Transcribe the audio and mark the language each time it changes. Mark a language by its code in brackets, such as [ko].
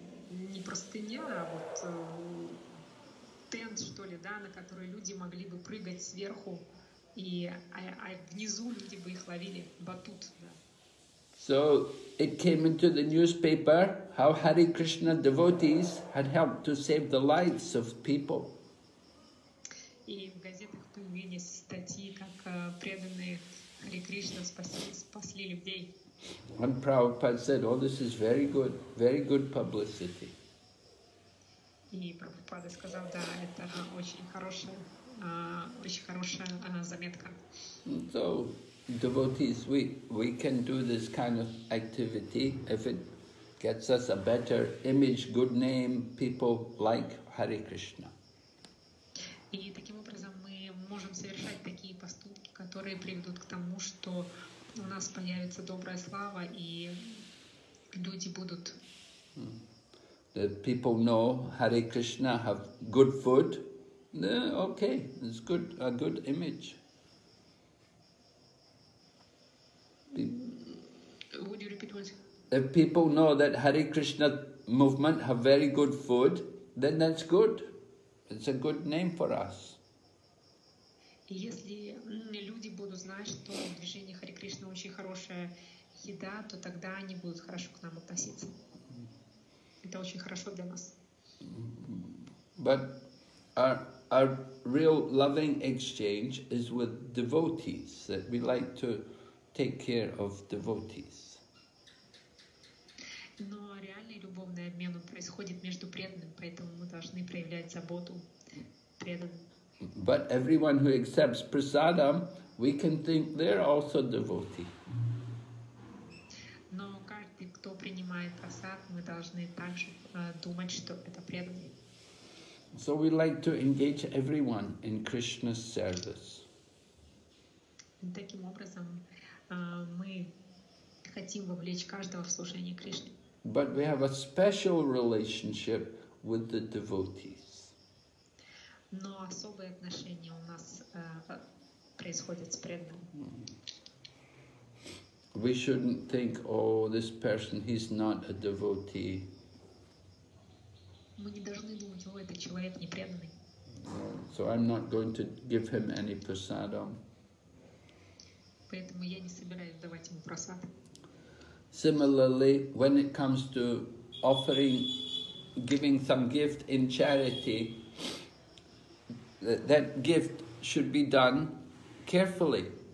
[ru] Не простыня, а вот тент, что ли, да, на который люди могли бы прыгать сверху, и внизу люди бы их ловили, батут, да. [en] So it came into the newspaper how Hare Krishna devotees had helped to save the lives of people. [ru] И в газетах появились статьи, как преданные Hare Krishna спасли людей. [en] And Prabhupada said, "Oh, this is very good publicity." [ru] И Прабхупада сказал, да, это очень хорошая заметка. [en] So, devotees, we can do this kind of activity if it gets us a better image, good name, people like Hare Krishna. [ru] И таким образом мы можем совершать такие поступки, которые приведут к тому, что у нас появится добрая слава, и люди будут. [en] The people know Hare Krishna have good food. Yeah, okay, it's good, a good image. Would you repeat once? If people know that Hare Krishna movement have very good food, then that's good. It's a good name for us. [ru] Если люди будут знать, что в движении Хари Кришна очень хорошая еда, то тогда они будут хорошо к нам относиться. Это очень хорошо для нас. [en] But our real loving exchange is with devotees, that we like to take care of devotees. [ru] Но реальный любовный обмен происходит между преданными, поэтому мы должны проявлять заботу преданным. [en] But everyone who accepts prasadam, we can think they're also devotee. [ru] Но каждый, кто принимает прасад, мы должны также думать, что это преданный. [en] So we like to engage everyone in Krishna's service. [ru] Таким образом, мы хотим вовлечь каждого в служение Кришне. [en] But we have a special relationship with the devotees. [ru] Но особые отношения у нас происходят с преданным. [en] We shouldn't think, oh, this person, he's not a devotee. [ru] Мы не должны думать, о, этот человек не преданный. [en] So I'm not going to give him any prasadam. [ru] Поэтому я не собираюсь давать ему прасад. [en] Similarly, when it comes to offering, giving some gift in charity, that gift should be done carefully.